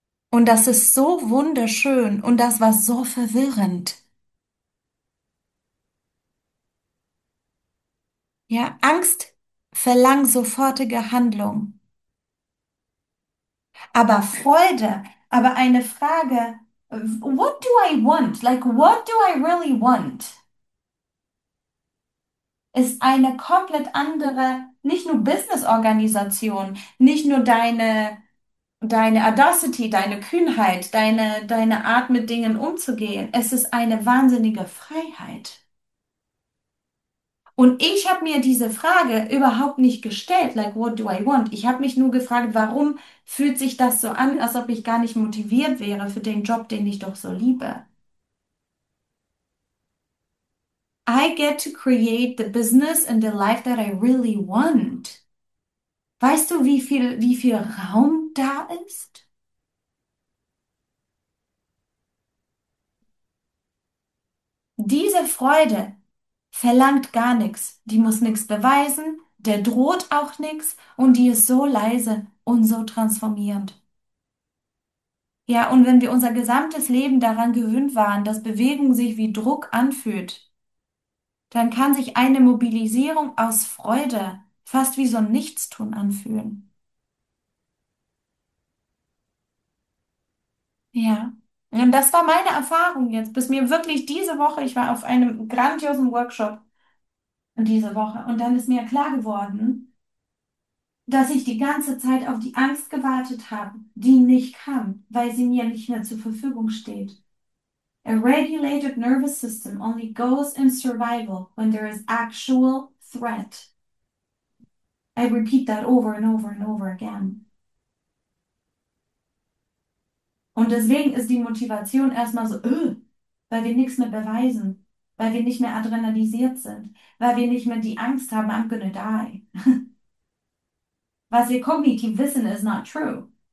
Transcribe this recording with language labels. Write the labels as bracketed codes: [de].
[de] Und das ist so wunderschön und das war so verwirrend. Ja, Angst verlangt sofortige Handlung. Aber Freude, aber eine Frage, [en] what do I want? Like, what do I really want? [de] Ist eine komplett andere, nicht nur Business-Organisation, nicht nur deine Audacity, deine Kühnheit, deine Art mit Dingen umzugehen. Es ist eine wahnsinnige Freiheit. Und ich habe mir diese Frage überhaupt nicht gestellt, [en] like, what do I want? [de] Ich habe mich nur gefragt, warum fühlt sich das so an, als ob ich gar nicht motiviert wäre für den Job, den ich doch so liebe? [en] I get to create the business and the life that I really want. [de] Weißt du, wie viel Raum da ist? Diese Freude verlangt gar nichts, die muss nichts beweisen, der droht auch nichts und die ist so leise und so transformierend. Ja, und wenn wir unser gesamtes Leben daran gewöhnt waren, dass Bewegung sich wie Druck anfühlt, dann kann sich eine Mobilisierung aus Freude fast wie so ein Nichtstun anfühlen. Ja. Und das war meine Erfahrung jetzt, bis mir wirklich diese Woche, ich war auf einem grandiosen Workshop, diese Woche. Und dann ist mir klar geworden, dass ich die ganze Zeit auf die Angst gewartet habe, die nicht kam, weil sie mir nicht mehr zur Verfügung steht. [en] A regulated nervous system only goes in survival when there is actual threat. I repeat that over and over and over again. [de] Und deswegen ist die Motivation erstmal so, weil wir nichts mehr beweisen, weil wir nicht mehr adrenalisiert sind, weil wir nicht mehr die Angst haben, [en] I'm gonna die. [de] Was wir kognitiv wissen, [en] is not true.